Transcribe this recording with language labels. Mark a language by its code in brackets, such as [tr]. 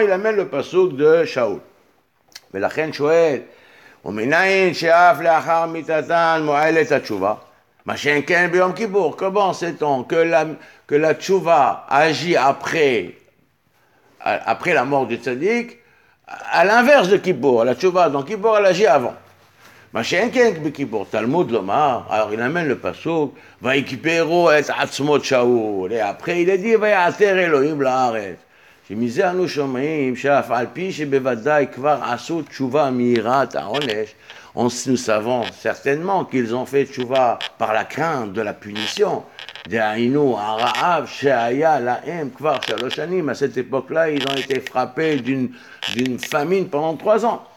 [fr] Il amène le pasuk de Shaul. Mais la chen shoel [he] ומנין שאף לאחר מיתתן מועלת התשובה, מה שאין כן ביום כיפור, [fr] comment sait-on que la תשובה agit après la mort du tzadik, à l'inverse de כיפור, la תשובה dans כיפור elle agit avant. [he] מה שאין כן בכיפור, תלמוד לומר, [fr] alors il amène le pasuk, [he] ויקיפרו את עצמות שאול, [fr] et après il est dit, [he] ויעתר אלוהים לארץ. שמזה אנו שומעים שאף על פי שבוודאי כבר עשו תשובה מיראת העונש, [fr] nous savons certainement qu'ils ont fait תשובה par la crainte de la punition, [he] דהיינו הרעב שהיה להם כבר שלוש שנים, [fr] à cette époque-là, ils ont été frappés d'une famine pendant trois ans.